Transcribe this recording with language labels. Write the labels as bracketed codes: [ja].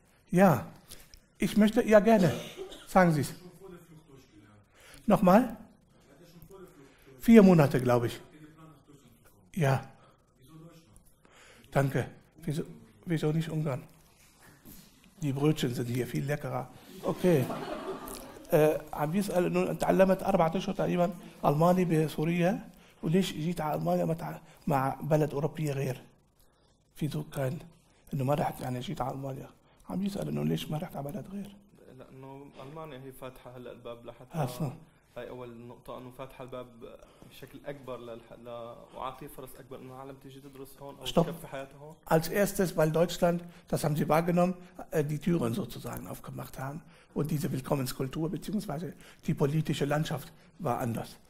[de] Ja, ich möchte, ja gerne, sagen Sie es. Nochmal? 4 Monate, glaube ich. Ja. Danke. Wieso nicht Ungarn? Die Brötchen sind hier viel leckerer. Okay. [ar] عم بيسأل انه تعلمت 4 أشهر تقريبا ألماني بسوريا وليش جيت على ألمانيا مع بلد أوروبية غير؟ في ذوق كان انه ما رحت يعني جيت على ألمانيا. عم بيسأل انه ليش ما رحت على بلد غير؟ لأنه ألمانيا هي فاتحة هلا الباب لحتى هاي أول نقطة انه فاتحة الباب بشكل أكبر وعطي فرص أكبر انه العالم تيجي تدرس هون أو تكفي حياتها هون. [de] Als erstes, weil Deutschland, das haben Sie wahrgenommen, die Türen sozusagen aufgemacht haben. Und diese Willkommenskultur bzw. die politische Landschaft war anders.